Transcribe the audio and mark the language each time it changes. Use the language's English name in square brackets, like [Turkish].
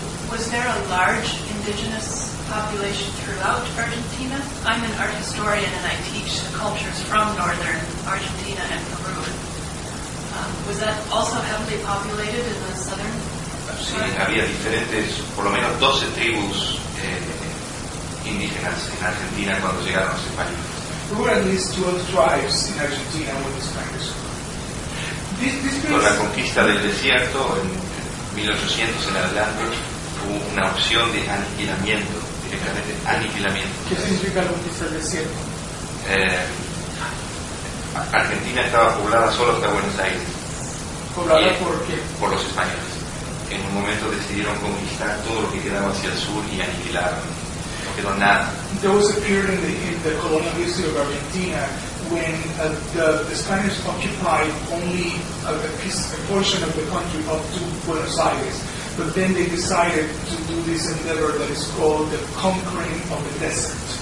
[English] Was there a large indigenous population throughout Argentina? I'm an art historian and I teach the cultures from northern Argentina and Peru. Was that also heavily populated in the southern? [Spanish] Sí, había diferentes, por lo menos 12 tribus indígenas en Argentina cuando llegaron los españoles. There were at least 12 tribes in Argentina when the Spaniards arrived. Con la conquista del desierto en 1800 en adelante, hubo una opción de aniquilamiento, directamente aniquilamiento. ¿Qué significa la conquista del desierto? Argentina estaba poblada solo hasta Buenos Aires. ¿Poblada por qué? Por los españoles. En un momento decidieron conquistar todo lo que quedaba hacia el sur y aniquilaron. No quedó nada. [English] There was a period in the colonial history of Argentina when the Spaniards occupied only a portion of the country up to Buenos Aires. But then they decided to do this endeavor that is called the conquering of the desert.